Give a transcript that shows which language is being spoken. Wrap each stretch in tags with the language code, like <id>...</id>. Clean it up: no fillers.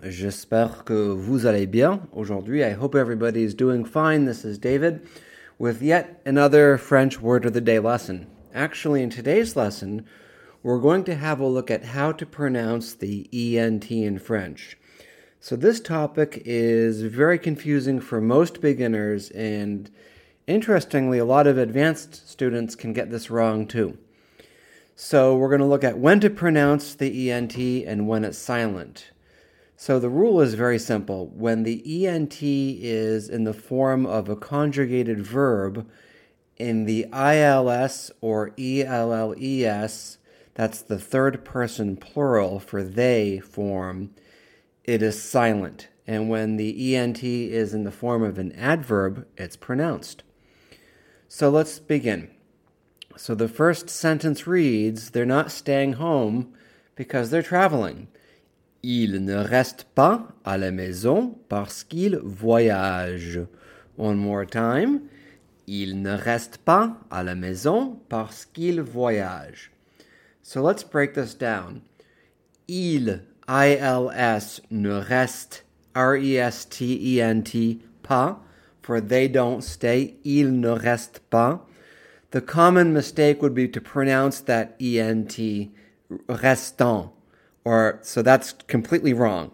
<fr>J'espère que vous allez bien aujourd'hui.</fr> <en>I hope everybody is doing fine. This is David with yet another French word of the day lesson. Actually, in today's lesson, we're going to have a look at how to pronounce the ENT in French. So this topic is very confusing for most beginners, and interestingly, a lot of advanced students can get this wrong too. So we're going to look at when to pronounce the ENT and when it's silent. So the rule is very simple. When the ENT is in the form of a conjugated verb in the ILS or ELLES, that's the third person plural for they form, it is silent. And when the ENT is in the form of an adverb, it's pronounced. So let's begin. So the first sentence reads, they're not staying home because they're traveling.</en> <fr>Ils ne restent pas à la maison parce qu'ils voyagent.</fr> <en>One more time.</en> <fr>Ils ne restent pas à la maison parce qu'ils voyagent.</fr> <en>So let's break this down.</en> <fr>Ils, ILS, ne restent, RESTENT, pas,</fr> <en>for they don't stay.</en> <fr>Ils ne restent pas.</fr> <en>The common mistake would be to pronounce that ENT restant, or so that's completely wrong.</en>